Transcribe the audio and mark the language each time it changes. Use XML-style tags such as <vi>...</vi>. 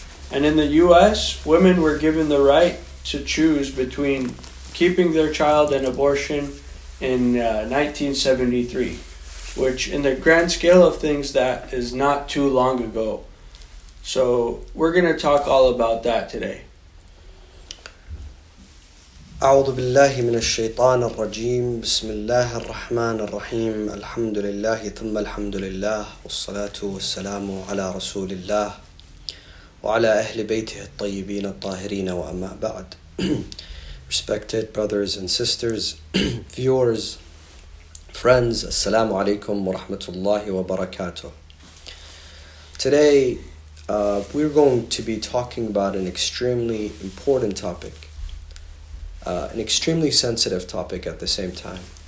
<en>And in the US, women were given the right to choose between keeping their child and abortion in 1973, which in the grand scale of things, that is not too long ago. So we're going to talk all about that today.</en> <ar>أعوذ بالله من الشيطان الرجيم بسم الله الرحمن الرحيم الحمد لله ثم الحمد لله والصلاة والسلام على رسول الله وعلى أهل بيته الطيبين الطاهرين وأما بعد.</ar> <en>Respected brothers and sisters, viewers, friends,</en> <ar>السلام عليكم ورحمة الله وبركاته.</ar> <en>Today, we're going to be talking about an extremely important topic, an extremely sensitive topic at the same time.</en>